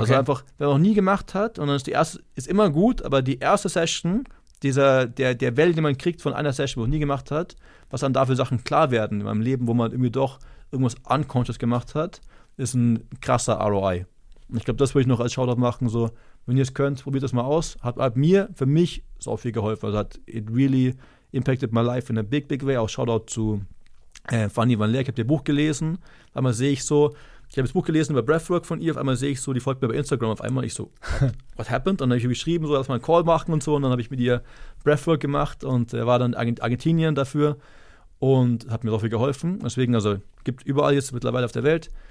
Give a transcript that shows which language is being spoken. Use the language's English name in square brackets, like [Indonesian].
[German] Also einfach, wenn man noch nie gemacht hat und dann ist die erste, ist immer gut, aber die erste Session, der Welt, die man kriegt von einer Session, wo man nie gemacht hat, was dann dafür Sachen klar werden in meinem Leben, wo man irgendwie doch irgendwas unconscious gemacht hat, ist ein krasser ROI. Und ich glaube, das würde ich noch als Shoutout machen, so, wenn ihr es könnt, probiert das mal aus. Hat mir, für mich, so viel geholfen. Also hat [English] it really impacted my life in a big, big way. [German] Auch Shoutout zu Fanny Van Leer. Ich habe ihr Buch gelesen. Einmal sehe ich so, ich habe das Buch gelesen über Breathwork von ihr. Auf einmal sehe ich so, die folgt mir bei Instagram. Auf einmal ich so, [English] what happened? [German] Und dann habe ich geschrieben, so, lass mal einen Call machen und so. Und dann habe ich mit ihr Breathwork gemacht und war dann Argentinien dafür. Und hat mir so viel geholfen. Deswegen, also, gibt überall jetzt mittlerweile auf der Welt.